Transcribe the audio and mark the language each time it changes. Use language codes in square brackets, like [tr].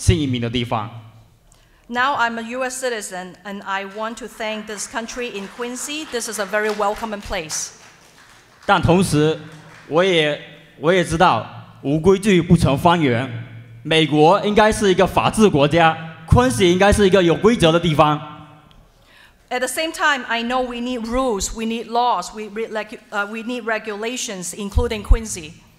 [zh] 现在我也是美国公民了，我非常感谢美国和昆西，它是一个如此欢迎新移民的地方。Now [en] I'm a U.S. citizen, and I want to thank this country in Quincy. This is a very welcoming place. [zh] 但同时，我也知道无规矩不成方圆，美国应该是一个法治国家，昆西应该是一个有规则的地方。 [en] At the same time, I know we need rules, we need laws, we need regulations, including Quincy.